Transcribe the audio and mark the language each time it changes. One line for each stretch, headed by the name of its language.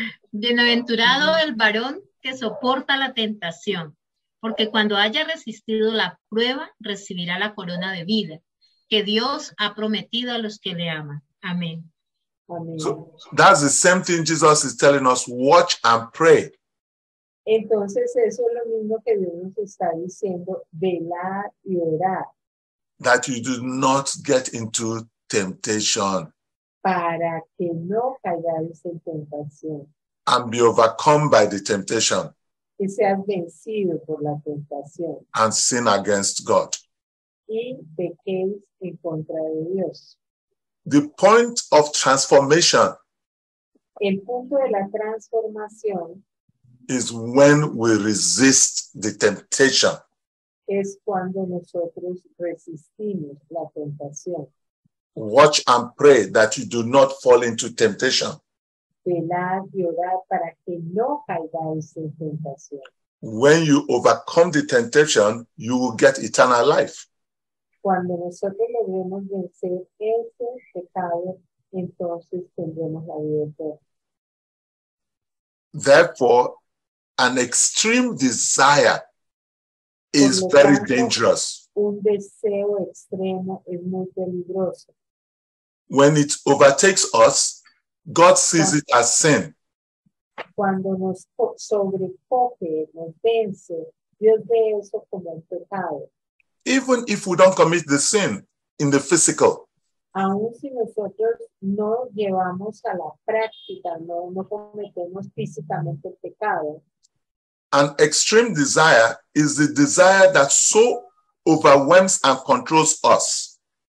Spanish: Bienaventurado el varón que soporta la tentación, porque cuando haya resistido la prueba, recibirá la corona de vida que Dios ha prometido a los que le aman. Amén.
English: So, that's the same thing Jesus is telling us. Watch and pray.
Spanish: Entonces, eso es lo mismo que Dios nos está diciendo. Velar y orar.
English: That you do not get into temptation.
Spanish: Para que no caigas en tentación.
English: And be overcome by the temptation.
Spanish: Y seas vencido por la tentación.
English: And sin against God.
Spanish: Y pequeños en contra de Dios.
English: The point of transformation.
Spanish: El punto de la transformación.
English: Is when we resist the temptation.
Spanish: Es cuando nosotros resistimos la tentación.
English: Watch and pray that you do not fall into temptation.
Spanish: Velar y orar para que no caigáis en tentación.
English: When you overcome the temptation, you will get eternal life.
Spanish: Cuando nosotros logremos vencer ese pecado, entonces tendremos la vida eterna.
English: Therefore, an extreme desire is very dangerous.
Spanish: Un deseo extremo es muy peligroso.
English: When it overtakes us, God sees it as sin.
Spanish: Cuando nos sobrecoge, nos vence, Dios ve eso como un pecado.
English: Even if we don't commit the sin in the physical.
Spanish: Aún si nosotros no llevamos a la práctica, no cometemos físicamente el pecado.
English: An extreme desire is the desire that so overwhelms and controls us.